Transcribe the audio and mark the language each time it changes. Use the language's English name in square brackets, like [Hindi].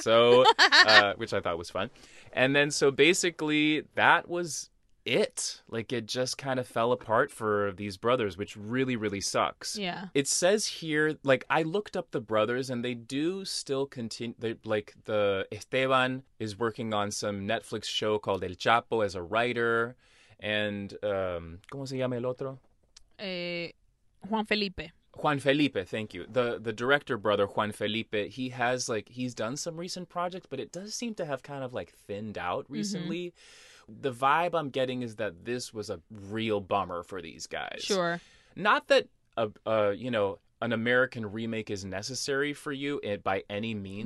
[English] So, which I thought was fun. And then so basically that was it. Like, it just kind of fell apart for these brothers, which really, really sucks. Yeah. It says here, like, I looked up the brothers and they do still continue. Like, the Esteban is working on some Netflix show called El Chapo as a writer. And, [Spanish] ¿cómo se llama el otro? [English] Juan Felipe. Juan Felipe, thank you. The director brother, Juan Felipe, he has, like, he's done some recent projects, but it does seem to have kind of, like, thinned out recently. Mm-hmm. The vibe I'm getting is that this was a real bummer for these guys. Sure. Not that, you know, an American remake is necessary for you by any means.